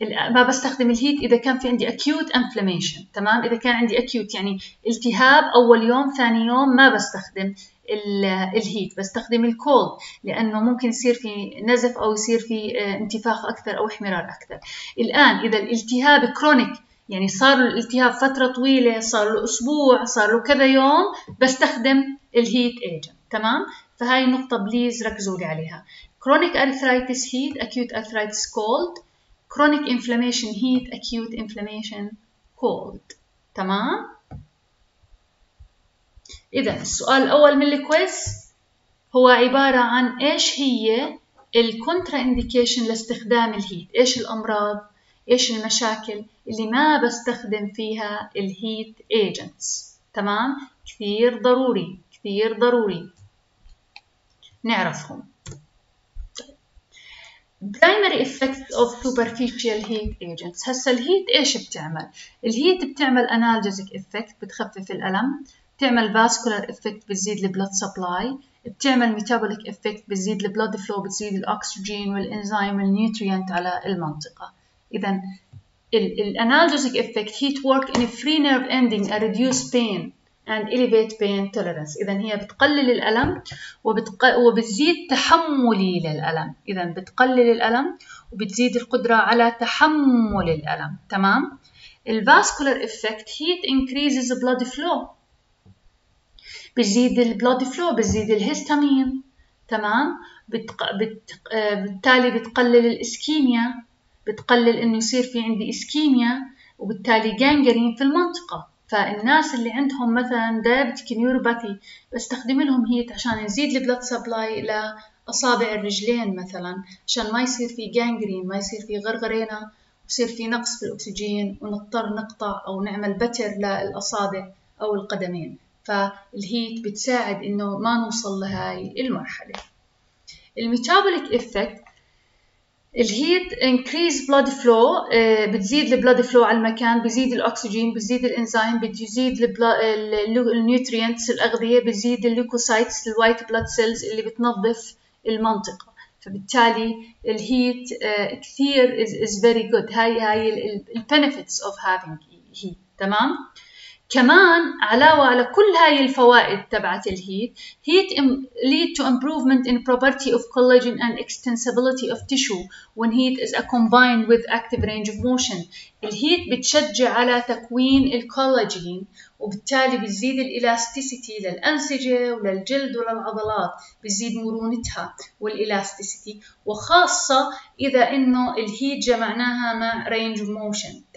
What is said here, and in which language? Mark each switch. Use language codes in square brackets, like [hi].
[ar] ما بستخدم الهيت إذا كان في عندي acute inflammation. تمام؟ إذا كان عندي acute يعني التهاب أول يوم، ثاني يوم ما بستخدم الهيت، بستخدم الكولد، لأنه ممكن يصير في نزف أو يصير في انتفاخ أكثر أو احمرار أكثر. الآن إذا الالتهاب كرونيك، يعني صار الالتهاب فترة طويلة، صار له أسبوع، صار له كذا يوم، بستخدم الهيت agent. تمام؟ فهاي النقطة بليز ركزوا لي عليها، [en] chronic arthritis heat، acute arthritis cold، chronic inflammation heat، acute inflammation cold. [ar] تمام؟ إذا السؤال الأول من الكويز هو عبارة عن إيش هي الكونترا إنديكيشن لاستخدام الهيت، إيش الأمراض إيش المشاكل اللي ما بستخدم فيها الهيت ايجنتس. تمام، كثير ضروري، كثير ضروري نعرفهم. [en] primary effects of superficial heat agents. [ar] هسا الهيت ايش بتعمل؟ الهيت بتعمل analgesic effect، بتخفف الالم، بتعمل vascular effect، بتزيد blood supply، بتعمل metabolic effect، بتزيد blood flow، بتزيد الاكسجين والانزيم والنيوتريانت على المنطقة. اذا الـ [en] analgesic effect heat work in a free nerve ending and reduce pain and elevate pain tolerance. [ar] إذن هي بتقلل الألم وبتزيد تحملي للألم. إذن بتقلل الألم وبتزيد القدرة على تحمل الألم. [en] تمام؟ الـ vascular effect heat increases blood flow. [ar] بتزيد الـ blood flow، بتزيد الهيستامين. تمام؟ بالتالي بتقلل الإسكيميا، بتقلل إنه يصير في عندي إسكيميا وبالتالي جانجرين في المنطقة. فالناس اللي عندهم مثلاً diabetic neuropathy بستخدم لهم هيت عشان يزيد blood supply لأصابع الرجلين مثلاً، عشان ما يصير في جانجرين، ما يصير في غرغرينة، يصير في نقص في الأكسجين ونضطر نقطع أو نعمل بتر للأصابع أو القدمين. فالهيت بتساعد إنه ما نوصل لهاي المرحلة. الميتابوليك إفكت، الهيت increase blood flow، بتزيد blood flow على المكان، بيزيد الأكسجين، بيزيد الإنزيم، بتزيد النيوترينتس الأغذية، بيزيد الليكوسايتس الوايت blood cells اللي بتنظف المنطقة. فبالتالي الهيت كثير [en] is very good. [ar] هاي ال [en] benefits of having heat. [ar] تمام؟ كمان علاوة على كل هاي الفوائد تبعت الهيت، [en] heat lead to improvement in property of collagen and extensibility of tissue when heat is combined with active range of motion. [ar] الهيت بتشجع على تكوين الكولاجين وبالتالي بتزيد الإلاستيسيتي للأنسجة وللجلد وللعضلات، بتزيد مرونتها والإلاستيسيتي، وخاصة إذا إنه الهيت جمعناها مع range of motion.